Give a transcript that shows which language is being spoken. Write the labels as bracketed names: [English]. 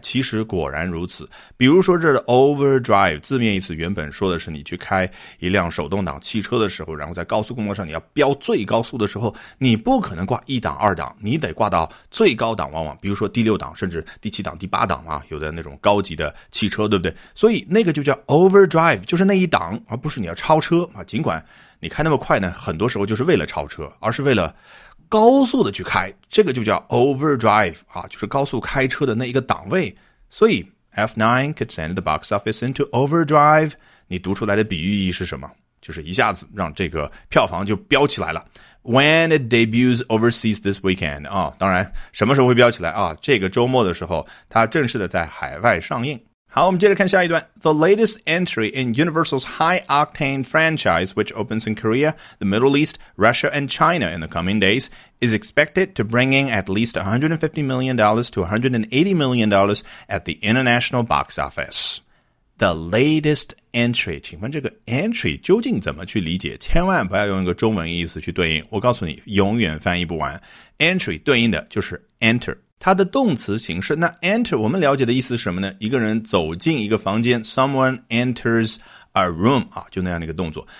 [Chinese] 其实果然如此，比如说这的 overdrive， 字面意思原本说的是你去开一辆手动挡汽车的时候，然后在高速公路上你要飙最高速的时候，你不可能挂一档二档，你得挂到最高档，往往比如说第六档甚至第七档第八档啊，有的那种高级的汽车，对不对？所以那个就叫 overdrive， 就是那一档，而不是你要超车啊。尽管你开那么快呢，很多时候就是为了超车，而是为了高速的去开，这个就叫 overdrive 啊，就是高速开车的那一个档位。所以 [English] F9 could send the box office into overdrive， [Chinese] 你读出来的比喻意义是什么？就是一下子让这个票房就飙起来了。 [English] When it debuts overseas this weekend [Chinese] 啊，当然什么时候会飙起来啊？这个周末的时候它正式的在海外上映。好，我们接着看下一段。 [English] The latest entry in Universal's high octane franchise, which opens in Korea, the Middle East, Russia, and China in the coming days, is expected to bring in at least $150 million to $180 million at the international box office. The latest entry， [Chinese] 请问这个 entry 究竟怎么去理解？千万不要用一个中文意思去对应，我告诉你，永远翻译不完。 entry 对应的就是 enter，它的动词形式。那 enter 我们了解的意思是什么呢？一个人走进一个房间， [English] someone enters a room [Chinese] 啊，就那样的一个动作。